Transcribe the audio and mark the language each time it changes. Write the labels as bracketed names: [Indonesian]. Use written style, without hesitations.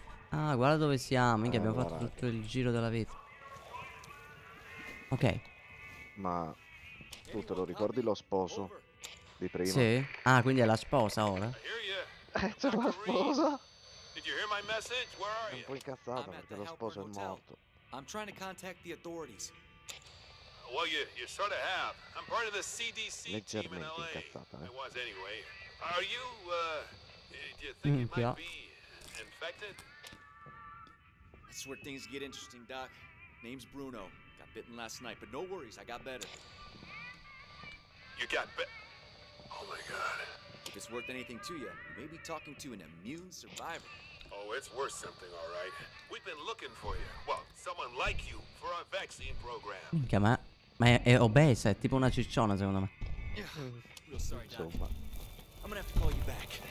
[Italian] Ah, guarda dove siamo, minchia, abbiamo fatto tutto il giro della vita. Ok. Ma tu te lo ricordi lo sposo di prima? Sì. Ah, quindi è la sposa ora? C'è la sposa? È un po' incazzata perché lo sposo è morto. [English] I'm trying to contact the authorities. Well, you sort of have. I'm part of the CDC team in LA. I was anyway. Are you, do you think it might be infected? That's where things get interesting, Doc. Name's Bruno. Got bitten last night, but no worries, I got better. You got bit? Oh my god. If it's worth anything to you, you may be talking to an immune survivor. Oh, it's worth something, all right. We've been looking for you. Well, someone like you for our vaccine program. [Italian] Minchia, ma è obesa, è tipo una cicciona, secondo me. [English] I'm gonna have to call you back.